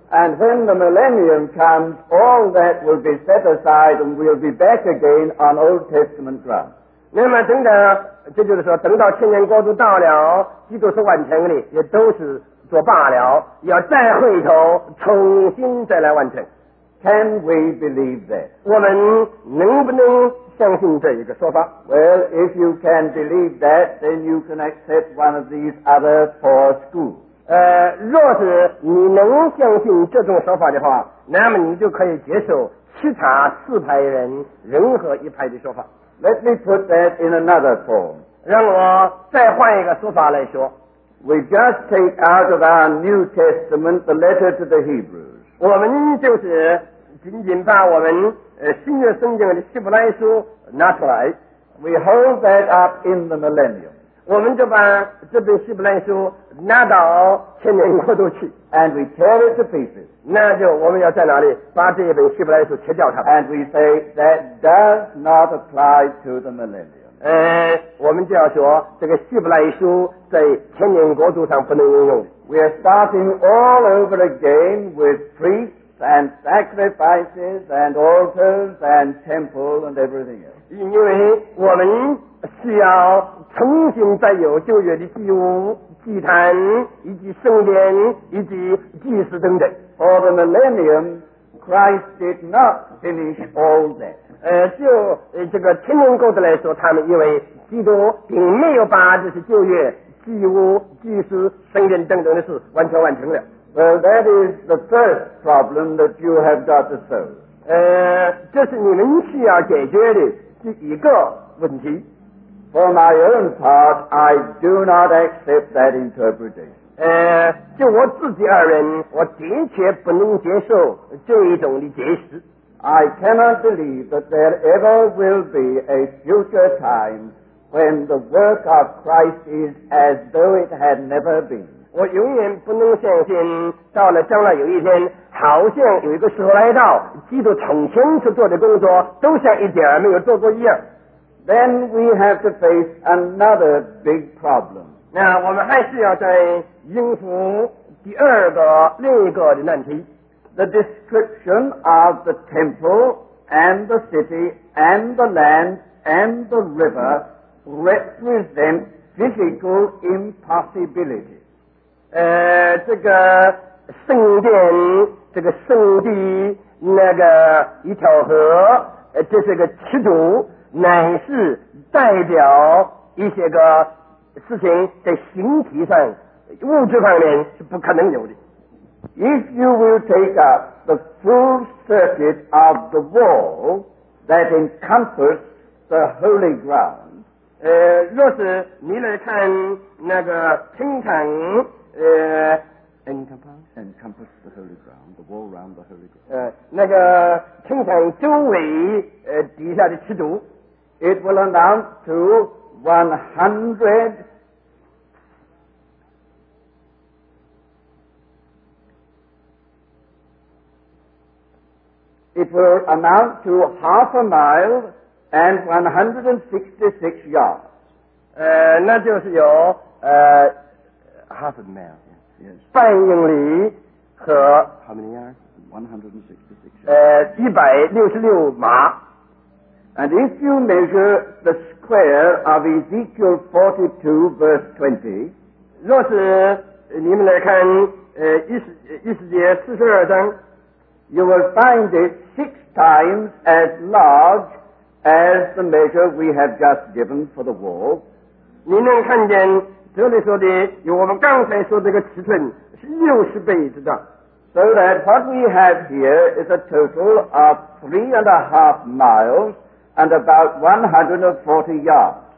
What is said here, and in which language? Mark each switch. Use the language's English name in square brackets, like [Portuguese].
[English] And when the millennium comes, all that will be set aside and will be back again on Old Testament ground. [Chinese] 那么等等，这就是说，等到千年国度到了，基督是完成的，也都是做罢了，要再回头重新再来完成。 [English] Can we believe that? [Chinese] 我们能不能相信这一个说法？ [English] Well, if you can believe that, then you can accept one of these other four schools. [Chinese] 若是你能相信这种说法的话，那么你就可以接受其他四派人任何一派的说法。 [English] Let me put that in another form. [Chinese] 让我再换一个说法来说。 [English] We just take out of our New Testament the letter to the Hebrews. [Chinese] 我们就是仅仅把我们新约圣经的希伯来书拿出来。 [English] We hold that up in the millennium. [Chinese] 我们就把这本希伯来书拿到千年国度去。 [English] And we tear it to pieces. [Chinese] 那就我们要在哪里把这一本希伯来书切掉它。 [English] And we say that does not apply to the millennium. [Chinese] 我们就要说这个希伯来书在千年国度上不能应用。 [English] We are starting all over again with priests and sacrifices and altars and temple and everything else. [Chinese] 因为我们需要重新再有旧约的祭物。祭坛以及圣殿以及祭司等等。 [English] For the millennium, Christ did not finish all that. [Chinese] 这个千年国度来说，他们以为基督并没有把这些旧约祭物、祭司、圣殿等等的事完全完成了。 [English] Well, that is the first problem that you have got to solve. [Chinese] 这是你们需要解决的第一个问题。 [English] For my own part, I do not accept that interpretation. [Chinese] 就我自己而言，我的确不能接受这一种的解释。 [English] I cannot believe that there ever will be a future time when the work of Christ is as though it had never been. [Chinese] 我永远不能相信，到了将来有一天，好像有一个时候来到，基督从前所做的工作都像一点没有做过一样。 [English] Then we have to face another big problem. [Chinese] 那我们还是要再应付第二个另一个的难题。 [English] The description of the temple and the city and the land and the river represent physical impossibility. [Chinese] 这个圣殿，这个圣地，那个一条河，这是个尺度。乃是代表一些个事情在形体上物质方面是不可能有的。 [English] If you will take up the full circuit of the wall that encompasses the holy ground, [Chinese] 若是你来看那个天堂 [English] Encompass the holy ground, the wall around the holy ground. [Chinese] 那个天堂周围底下的尺度。 [English] It will amount to 100 It will amount to half a mile and 166 yards. [Chinese] 那就是有 [English] half a mile. Yes. [Chinese] 半英里和 [English] How many yards? 166. [Chinese] 166码。 [English] And if you measure the square of Ezekiel 42 verse 20, [Chinese] 若是你们来看，以斯帖42章, [English] you will find it 6 times as large as the measure we have just given for the wall. [Chinese] 你能看见这里说的与我们刚才说这个尺寸是60倍之大。 [English] So that what we have here is a total of 3.5 miles and about 140 yards.